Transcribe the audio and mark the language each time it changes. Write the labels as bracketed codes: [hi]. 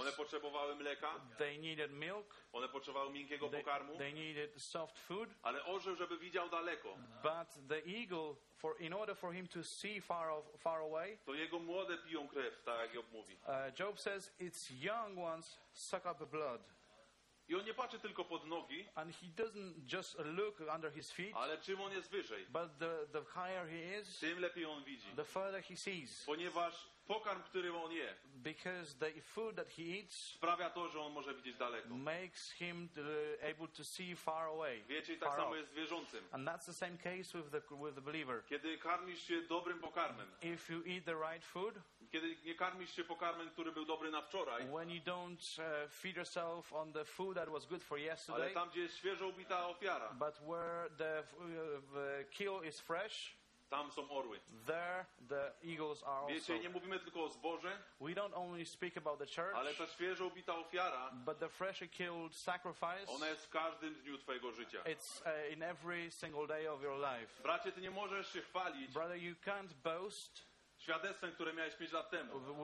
[pl] One potrzebowały mleka. [en] They needed milk. [pl] One potrzebowały miękkiego pokarmu. [en] They needed soft food. [pl] Ale orzeł, żeby widział daleko. [en] But the eagle, in order for him to see far away. [pl] To jego młode piją krew, tak jak Job mówi. [en] Job says its young ones suck up the blood. [pl] I on nie patrzy tylko pod nogi. [en] And he doesn't just look under his feet. [pl] Ale czym on jest wyżej? [en] But the higher he is. [pl] Tym lepiej on widzi. [en] The further he sees. [pl] Ponieważ pokarm, który on je. [en] Because the food that he eats. [pl] Sprawia to, że on może widzieć daleko. [en] Makes him able to see far away. [pl] Wiecie, tak samo jest z wierzącym. [en] And that's the same case with the believer. [pl] Kiedy karmisz się dobrym pokarmem. [en] If you eat the right food. [pl] Kiedy nie karmisz się pokarmem, który był dobry na wczoraj. [en] When you don't feed yourself on the food that was good for yesterday. [pl] Ale tam, gdzie jest świeżo ubita ofiara. [en] But where the kill is fresh. [pl] Tam są orły. [en] There the eagles are also. [pl] Wiecie, nie mówimy tylko o zboże. [en] We don't only speak about the church. [pl] Ale ta świeżo ubita ofiara. [en] But the freshly killed sacrifice. [pl] Ona jest w każdym dniu twojego życia. [en] It's in every single day of your life. [pl] Bracie, ty nie możesz się chwalić. [en] Brother, you can't boast. [pl] Świadectwem, które miałeś 5 lat temu.